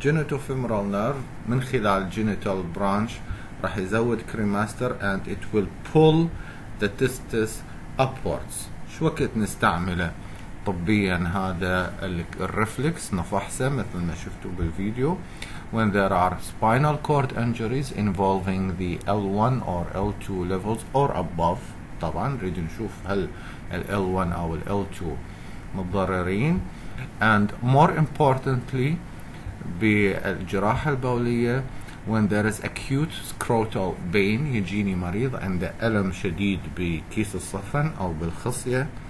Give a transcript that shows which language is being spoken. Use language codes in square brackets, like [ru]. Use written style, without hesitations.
[ar] جينيتو فيمورال نيرف من خلال جينيتال برانش راح يزود كريماستر [en] and it will pull the testis upwards. [ar] شو وقت نستعمله طبيا هذا الريفلكس نفحصه مثل ما شفتوا بالفيديو. [en] When there are spinal cord injuries involving the L1 or L2 levels or above. [ar] طبعا نريد نشوف هل ال L1 أو ال L2 متضررين. [en] And more importantly [ar] بالجراحة البولية. [en] When there is acute scrotal pain. [ar] يجيني مريض عنده ألم شديد بكيس الصفن أو بالخصية.